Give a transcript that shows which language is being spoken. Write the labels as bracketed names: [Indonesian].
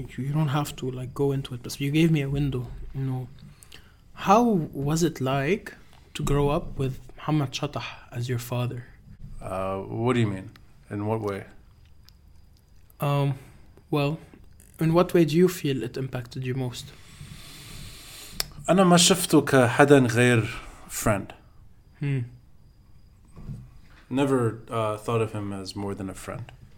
[English] You don't have to like go into it, but you gave me a window. You know, how was it like to grow up with Muhammad Shattah as your father? What do you mean? In what way? Well, in what way do you feel it impacted you most? [Arabic] أنا ما شفته كحدا غير friend. [English] Never thought of him as more than a friend.